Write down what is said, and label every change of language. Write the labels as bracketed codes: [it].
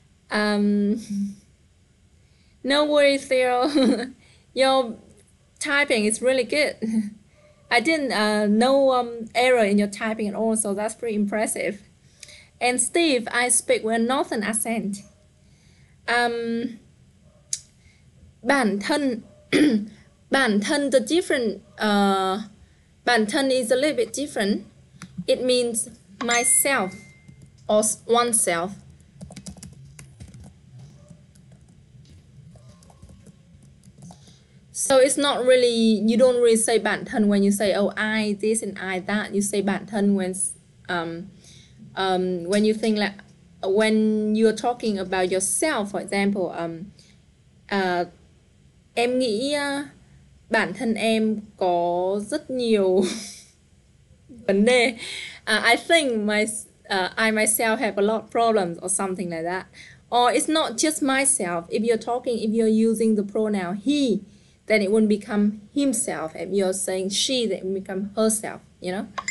[en] No worries, Theo. Your typing is really good. I didn't know error in your typing at all, so that's pretty impressive. And Steve, I speak with a northern accent. Bản thân, the different, bản thân is a little bit different. It means myself or oneself. So it's not really, you don't really say bản thân when you say, oh, I this and I that. You say bản thân when you think like, when you're talking about yourself, for example, [vi] em nghĩ bản thân em có rất nhiều vấn đề. [en] I think I myself have a lot of problems or something like that. Or it's not just myself. If you're using the pronoun he, then it wouldn't become himself. If you're saying she, then it would become herself, you know?